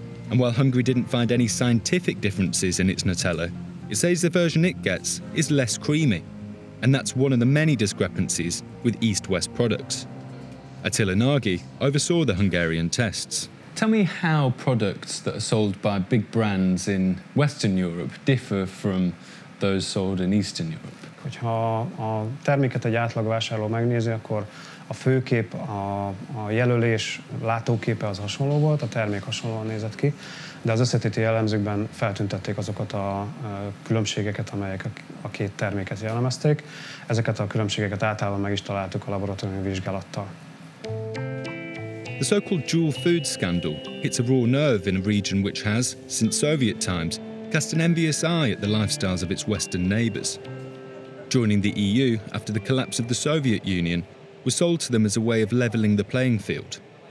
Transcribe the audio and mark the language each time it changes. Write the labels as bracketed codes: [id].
[en] And while Hungary didn't find any scientific differences in its Nutella, it says the version it gets is less creamy. And that's one of the many discrepancies with East-West products. Attila Nagy oversaw the Hungarian tests. Tell me how products that are sold by big brands in Western Europe differ from those sold in Eastern Europe. [hu] Hogyha a terméket egy átlag vásárló megnézi, akkor a főkép, a jelölés látóképe az hasonló volt, a termék hasonlóan nézett ki, de az összetéti jellemzőkben feltüntették azokat a különbségeket, amelyek a két terméket jellemezték. Ezeket a különbségeket általában meg is találtuk a laboratóriumi vizsgálattal. [en] The so-called dual food scandal hits a raw nerve in a region which has, since Soviet times, cast an envious eye at the lifestyles of its Western neighbours. Joining the EU after the collapse of the Soviet Union was sold to them as a way of levelling the playing field.